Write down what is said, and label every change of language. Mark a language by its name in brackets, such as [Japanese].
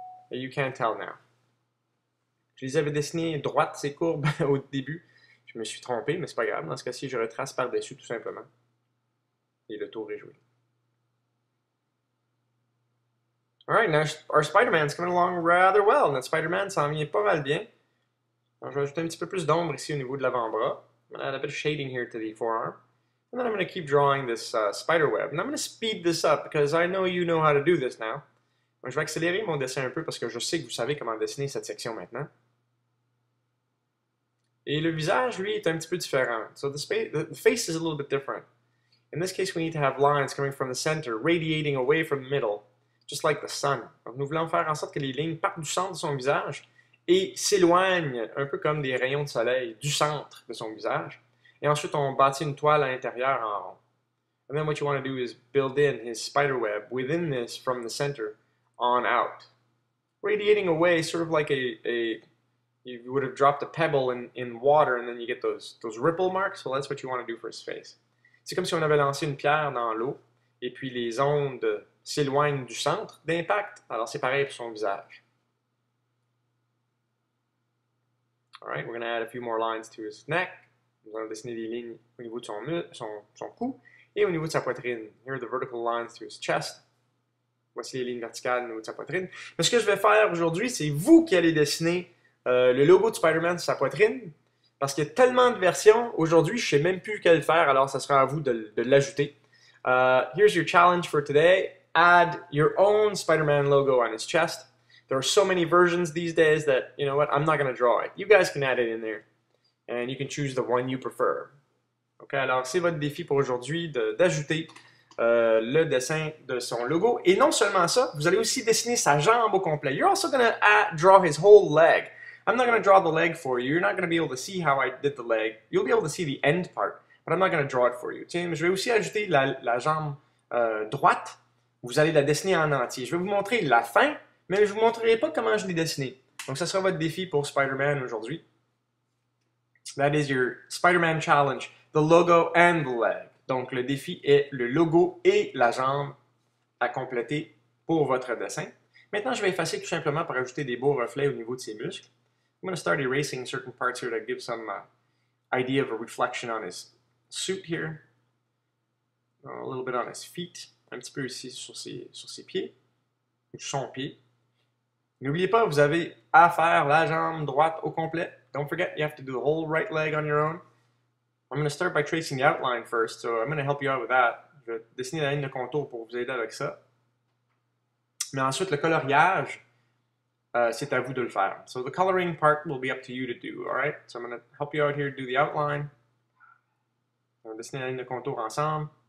[English] You can't tell now. [French] Je les avais dessinées droites, ces courbes, au début. Je me suis trompé, mais c'est pas grave. Dans ce cas-ci, je retrace par-dessus tout simplement. Et le tour est joué. [English] Alright, now our Spider-Man's coming along rather well. [French] Notre Spider-Man s'en vient pas mal bien. Alors, je vais ajouter un petit peu plus d'ombre ici au niveau de l'avant-bras. [English] I'm going to add a bit of shading here to the forearm. And then I'm going to keep drawing this spider web. And I'm going to speed this up because I know you know how to do this now. [French] Donc, je vais accélérer mon dessin un peu parce que je sais que vous savez comment dessiner cette section maintenant. Et le visage, lui, est un petit peu différent. [English] So the face is a little bit different. In this case, we need to have lines coming from the center, radiating away from the middle. Just like the sun. [French] Donc, nous voulons faire en sorte que les lignes partent du centre de son visage et s'éloignent un peu comme des rayons de soleil du centre de son visage. Et ensuite, on bâtit une toile à l'intérieur en rond. And then what you want to do is build in his spider web within this from the center on out. Radiating away, sort of like you would have dropped a pebble in water and then you get those ripple marks. So that's what you want to do for his face. C'est comme si on avait lancé une pierre dans l'eau et puis les ondes s'éloigne du centre d'impact. Alors, c'est pareil pour son visage. [English] Alright, we're going to add a few more lines to his neck. [French] Nous allons dessiner des lignes au niveau de son cou et au niveau de sa poitrine. [English] Here are the vertical lines to his chest. [French] Voici les lignes verticales au niveau de sa poitrine. Mais ce que je vais faire aujourd'hui, c'est vous qui allez dessiner le logo de Spider-Man sur sa poitrine. Parce qu'il y a tellement de versions, aujourd'hui, je ne sais même plus quelle faire. Alors, ça sera à vous de l'ajouter. [English] Here's your challenge for today. Add your own Spider-Man logo on his chest. There are so many versions these days that, you know what, I'm not going to draw it. You guys can add it in there. And you can choose the one you prefer. [French] OK, alors c'est votre défi pour aujourd'hui d'ajouter le dessin de son logo. Et non seulement ça, vous allez aussi dessiner sa jambe au complet. [English] You're also going to draw his whole leg. I'm not going to draw the leg for you. You're not going to be able to see how I did the leg. You'll be able to see the end part. But I'm not going to draw it for you. [French] Tiens, mais je vais aussi ajouter la jambe droite. Vous allez la dessiner en entier. Je vais vous montrer la fin, mais je ne vous montrerai pas comment je l'ai dessinée. Donc, ça sera votre défi pour Spider-Man aujourd'hui. [English] That is your Spider-Man challenge. The logo and the leg. [French] Donc, le défi est le logo et la jambe à compléter pour votre dessin. Maintenant, je vais effacer tout simplement pour ajouter des beaux reflets au niveau de ses muscles. [English] I'm going to start erasing certain parts here to give some idea of a reflection on his suit here. A little bit on his feet. [French] Un petit peu ici sur ses pieds, ou son pied. N'oubliez pas, vous avez à faire la jambe droite au complet. [English] Don't forget, you have to do the whole right leg on your own. I'm going to start by tracing the outline first, so I'm going to help you out with that. [French] Je vais dessiner la ligne de contour pour vous aider avec ça. Mais ensuite, le coloriage, c'est à vous de le faire. [English] So the coloring part will be up to you to do, alright? So I'm going to help you out here to do the outline. [French] On va dessiner la ligne de contour ensemble.